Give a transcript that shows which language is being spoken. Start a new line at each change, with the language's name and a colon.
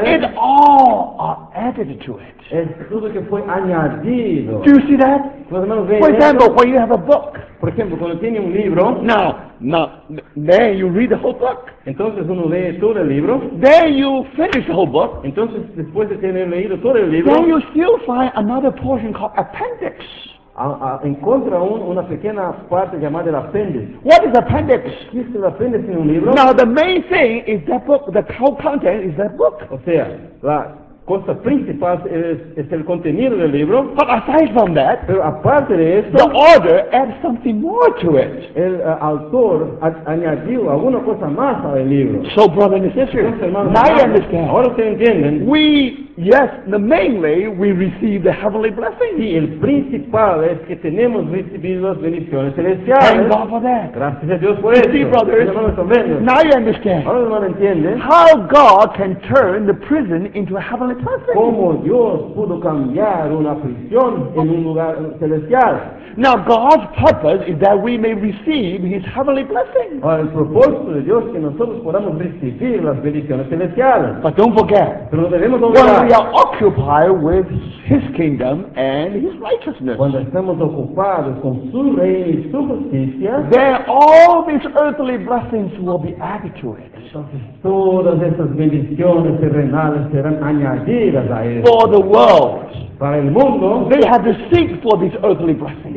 English: it all are added to it.
Spanish: Es todo que fue añadido.
English: Do you see that? For example, when you have a book.
Spanish: Por ejemplo, cuando tiene un libro.
English: Now, then you read the whole book.
Spanish: Entonces uno lee todo el libro.
English: Then you finish the whole book.
Spanish: Entonces después de tener leído todo el libro.
English: Then you still find another portion called appendix.
Spanish: Encuentra una pequeña parte llamada el appendix.
English: What is appendix?
Spanish: ¿Qué es el appendix en un libro?
English: Now the main thing is that book. The whole content is that book.
Spanish: O sea, la cosa principal es el contenido del libro.
English: But aside from that,
Spanish: pero aparte de esto,
English: the author adds something more to it.
Spanish: El autor añadió alguna cosa más al libro.
English: So, brother and sister, I understand.
Spanish: Ahora se entienden.
English: Mainly we receive the heavenly blessings.
Spanish: Sí, el principal es que tenemos recibido las bendiciones celestiales.
English: Thank God for that.
Spanish: Gracias a Dios por eso.
English: See, brothers, now you understand.
Spanish: Ahora lo entienden.
English: How God can turn the prison into a heavenly blessing.
Spanish: Cómo Dios pudo cambiar una prisión en un lugar celestial.
English: Now God's purpose is that we may receive His heavenly blessing.
Spanish: Ahora, el propósito de Dios es que nosotros podamos recibir las bendiciones celestiales.
English: But don't forget.
Spanish: Pero no debemos olvidar.
English: We are occupied with His kingdom and His righteousness.
Spanish: Cuando estamos ocupados con su reino y su justicia,
English: then all these earthly blessings will be added to it.
Spanish: Entonces, todas esas bendiciones terrenales serán añadidas a él.
English: For the world,
Spanish: para el mundo,
English: they have to seek for these earthly blessings.